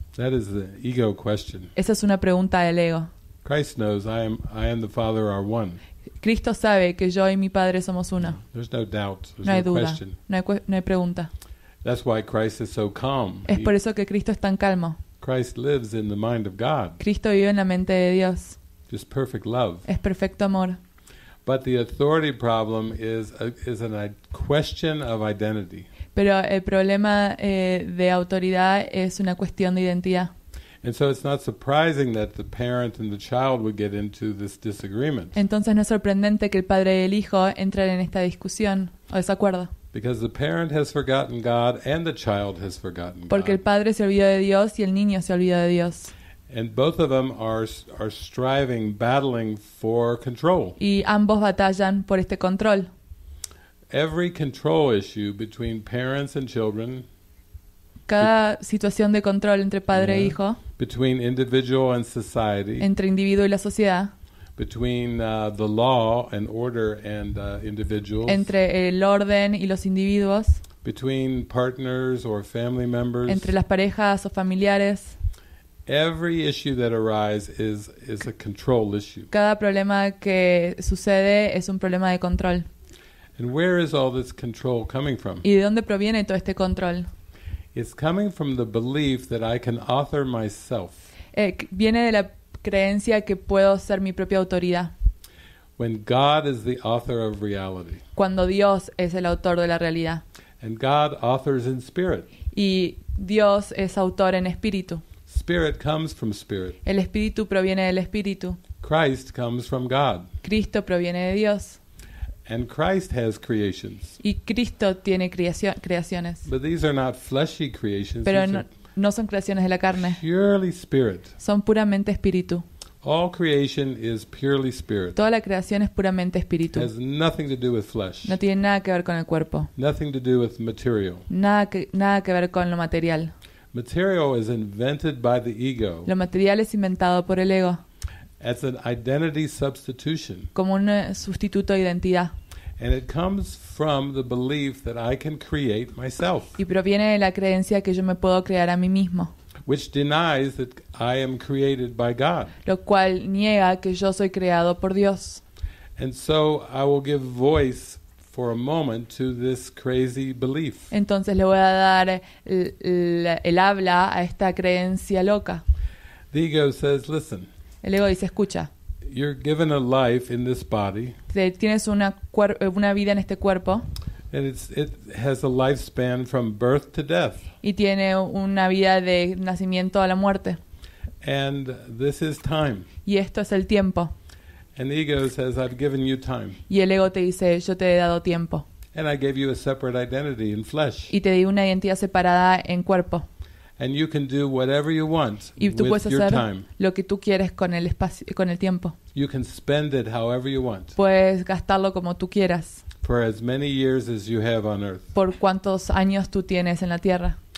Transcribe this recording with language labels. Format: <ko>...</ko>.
<en>That is the ego question.</en> <es>Esa es una pregunta del ego.</es> <en>Christ knows I am the Father are one.</en> <es>Cristo sabe que yo y mi Padre somos uno.</es> <en>There's no doubt. There's</en> <es>no hay duda.</es> <en>Question.</en> <es>No hay pregunta.</es> <en>That's why Christ is so calm.</en> <es>Es por eso que Cristo es tan calmo.</es> <en>Christ lives in the mind of God.</en> <es>Cristo vive en la mente de Dios.</es> <en>Just perfect love.</en> <es>Es perfecto amor.</es> <en>But the authority problem is a question of identity.</en> <es>Pero el problema de autoridad es una cuestión de identidad.</es> <en>And so it's not surprising that the parent and the child would get into this disagreement.</en> <es>Entonces no es sorprendente que el padre y el hijo entren en esta discusión o desacuerdo.</es> <en>Because the parent has forgotten God and the child has forgotten God.</en> <es>Porque el padre se olvidó de Dios y el niño se olvidó de Dios.</es> <en>And both of them are striving, battling for control.</en> <es>Y ambos batallan por este control.</es> <en>Every control issue between parents and children.</en> <es>Cada situación de control entre padre e hijo.</es> <en>Between individual and society.</en> <es>Entre individuo y la sociedad.</es> <en>Between the law and order and individuals.</en> <es>Entre el orden y los individuos.</es> <en>Between partners or family members.</en> <es>Entre las parejas o familiares.</es> <en>Every issue that arises is a control issue.</en> <es>Cada problema que sucede es un problema de control.</es> <en>And where is all this control coming from?</en> <es>¿Y de dónde proviene todo este control?</es> <en>It's coming from the belief that I can author myself.</en> <es>Viene de la creencia que puedo ser mi propia autoridad.</es> <en>When God is the author of reality.</en> <es>Cuando Dios es el autor de la realidad.</es> <en>And God authors in spirit.</en> <es>Y Dios es autor en espíritu.</es> <en>Spirit comes from spirit.</en> <es>El espíritu proviene del espíritu.</es> <en>Christ comes from God.</en> <es>Cristo proviene de Dios.</es> <en>And Christ has creations.</en> <es>Y Cristo tiene creaciones.</es> <en>But these are not fleshy creations.</en> <es>Pero no son creaciones de la carne.</es> <en>Purely spirit.</en> <es>Son puramente espíritu.</es> <en>All creation is purely spirit.</en> <es>Toda la creación es puramente espíritu.</es> <en>It has nothing to do with flesh.</en> <es>No tiene nada que ver con el cuerpo.</es> <en>Nothing to do with material.</en> <es>Nada que ver con lo material.</es> <en>Material is invented by the ego.</en> <es>Lo material es inventado por el ego.</es> <en>As an identity substitution.</en> <es>Como un sustituto de identidad.</es> <en>And it comes from the belief that I can create myself.</en> <es>Y proviene de la creencia que yo me puedo crear a mí mismo.</es> <en>Which denies that I am created by God.</en> <es>Lo cual niega que yo soy creado por Dios.</es> <en>And so I will give voice for a moment to this crazy belief.</en> <es>Entonces le voy a dar el habla a esta creencia loca.</es> <en>The ego says, listen.</en> <es>El ego dice, escucha.</es> <en>you're given a life in this body.</en> <es>Tienes una vida en este cuerpo.</es> <en>And it has a lifespan from birth to death.</en> <es>Y tiene una vida de nacimiento a la muerte.</es> <en>And this is time.</en> <es>Y esto es el tiempo.</es> <en>And the ego says, "I've given you time."</en> <es>Y el ego te dice, "Yo te he dado tiempo."</es> <en>And I gave you a separate identity in flesh.</en> <es>Y te di una identidad separada en cuerpo.</es> <en>And you can do whatever you want with your time.</en> <es>Y tú puedes hacer</es> <en>time.</en> <es>Lo que tú quieres con el espacio, con el tiempo.</es> <en>You can spend it however you want.</en> <es>Puedes gastarlo como tú quieras.</es> <en>For as many years as you have on earth.</en> <es>Por cuántos años tú tienes en la tierra.</es>